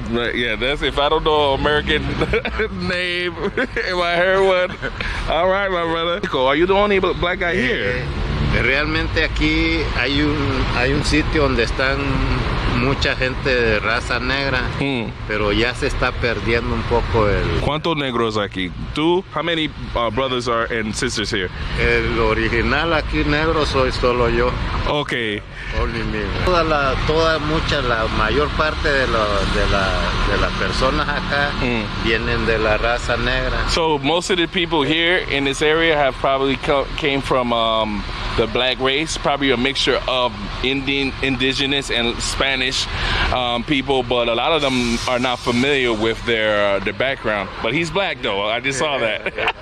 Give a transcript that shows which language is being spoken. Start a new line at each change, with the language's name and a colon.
English: Right, yeah, that's if I don't know American name, if I heard one. All right, my brother. Are you the only black guy here?
Spanish: Realmente aquí hay un sitio donde están mucha gente de raza negra, pero ya se está perdiendo un poco el... ¿Cuántos negros aquí? ¿Tú?
English: How many brothers and sisters here?
Spanish: El original aquí negro soy solo yo.
English: Okay. Only me.
Spanish: La mayor parte de la personas acá vienen de la raza negra.
English: So most of the people here in this area have probably came from the black race, probably a mixture of indigenous and Spanish people, but a lot of them are not familiar with their background. But he's black though, I just saw that.